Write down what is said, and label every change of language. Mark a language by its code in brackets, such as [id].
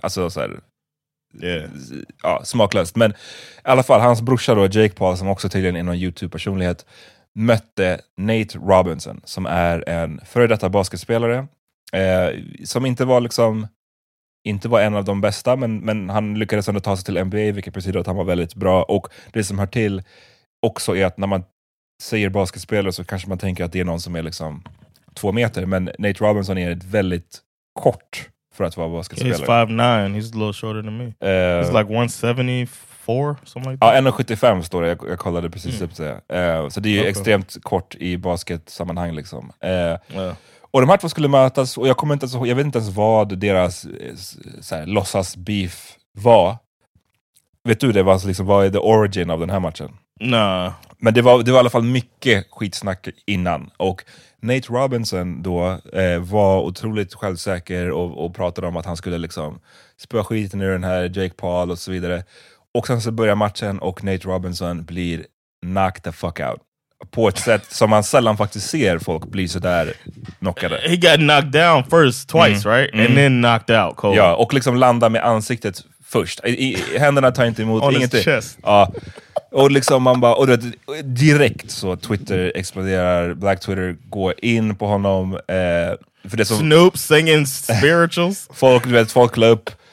[sv] Alltså såhär, ja, smaklöst. Men i alla fall, hans brorsa då, Jake Paul, som också tydligen är någon YouTube-personlighet, mötte Nate Robinson, som är en före detta basketspelare, som inte var liksom, inte var en av de bästa, men han lyckades ändå ta sig till NBA, vilket betyder att han var väldigt bra. Och det som hör till också är att när man säger basketspelare så kanske man tänker att det är någon som är liksom 2 meter, men Nate Robinson är ett väldigt kort för att vara basketspelare. [en] He's 5'9", he's a little shorter than me. He's like 174, something like that. [sv] Ja, 1,75 står det, jag kollade precis upp det. Så det är ju extremt kort i basketsammanhang liksom. Och de här två skulle mötas, och jag vet inte ens vad deras så här låtsas beef var. Vet du det? Var liksom, vad är [en] the origin [sv] av den här matchen? Nej. [en] Nah. [sv] Men det var i alla fall mycket skitsnack innan. Och Nate Robinson då var otroligt självsäker och pratade om att han skulle liksom spöa skiten ur den här Jake Paul och så vidare. Och sen så börjar matchen och Nate Robinson blir [en] knocked the fuck out. [sv] På ett sätt som man sällan faktiskt ser folk bli så där knockade. [en] He got knocked down first, twice, right? And then knocked out, cold. [sv] Ja, och liksom landa med ansiktet först. Händerna tar inte emot. [en] On [sv] ingenting. [en] His chest. [sv] Ja. Och liksom man bara, och direkt så Twitter exploderar. Black Twitter går in på honom. För det som, [en] Snoop singing spirituals. [sv] Folk la upp.